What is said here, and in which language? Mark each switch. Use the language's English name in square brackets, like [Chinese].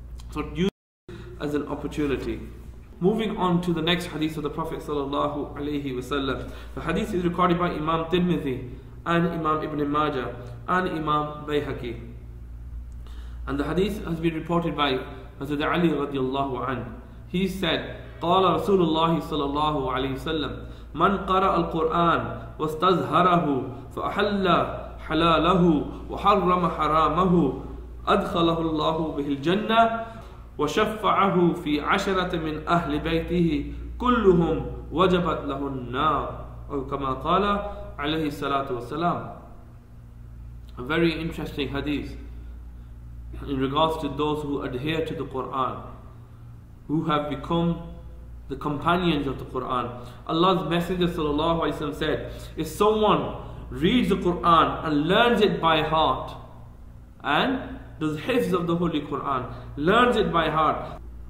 [English] So use it as an opportunity. Moving on to the next hadith of the Prophet sallallahu alaihi wasallam. The hadith is recorded by Imam Tirmidhi and Imam Ibn Majah and Imam Bayhaqi. And the hadith has been reported by Hazrat Ali radiyallahu anhu. He said, [Arabic] قال رسول الله صلى الله عليه وسلم من قرأ القرآن واستزهره فأحل حلاله وحرم حرامه أدخله الله به الجنة وشفعه في عشرة من أهل بيته كلهم وجبت له النار أو كما قال عليه الصلاة والسلام. [English] A very interesting hadith in regards to those who adhere to the Quran, who have become the companions of the Quran. Allah's Messenger sallallahu alaihi wasallam said, if someone reads the Quran and learns it by heart and does hifz of the Holy Quran, learns it by heart